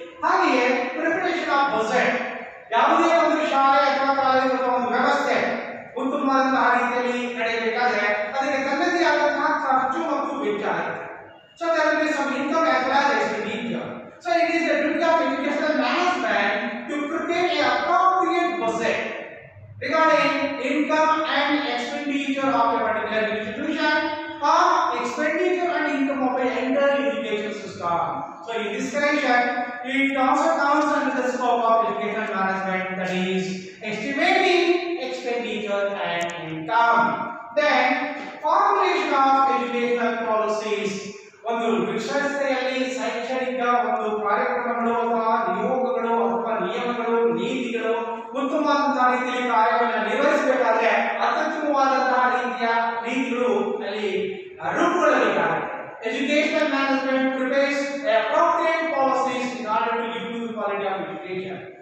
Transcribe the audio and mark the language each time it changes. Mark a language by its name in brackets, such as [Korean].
[Kannada] ಹಾಗೆಯೇ [English] preparation of budget, [Kannada] ಯಾವುದೇ ಒಂದು ಶಾಲೆ ಅಥವಾ ಕಾಲೇಜು ಅಥವಾ ಒಂದು ವ್ಯವಸ್ಥೆ ಉತ್ತಮವಾದಂತಹ ರೀತಿಯಲ್ಲಿ ನಡೆಯಬೇಕಾದ್ರೆ ಅದಕ್ಕೆ ತನ್ನದೇ ಆದಂತಹ ಖರ್ಚು ಮತ್ತು ವೆಚ್ಚ ಆಗುತ್ತೆ. [English] So there some income as well as income. So it is the duty of education management to prepare a appropriate budget. regarding income and expenditure of a particular institution or expenditure and income of an entire education system. So in this section, it also comes under the scope of education management, that is estimating expenditure and income. Then formulation of educational policies. [Kannada] ಒಂದು ವಿಶ್ವವಿದ್ಯಾಲಯದಲ್ಲಿ ಶೈಕ್ಷಣಿಕ ಒಂದು ಕಾರ್ಯಕ್ರಮಗಳು ಅಥವಾ ನಿಯೋಗಗಳು ಅಥವಾ ನಿಯಮಗಳು ನೀತಿಗಳು ಉತ್ತಮವಾದಂತಹ ರೀತಿಯಲ್ಲಿ ಕಾರ್ಯಗಳನ್ನು ನಿರ್ವಹಿಸಬೇಕಾದ್ರೆ ಅತ್ಯುತ್ತಮವಾದಂತಹ ರೀತಿಯ ನೀತಿಗಳು ಅಲ್ಲಿ ರೂಪುಗೊಳ್ಳಬೇಕಾಗುತ್ತೆ. [English] Education management prepares appropriate policies in order to improve the quality of education.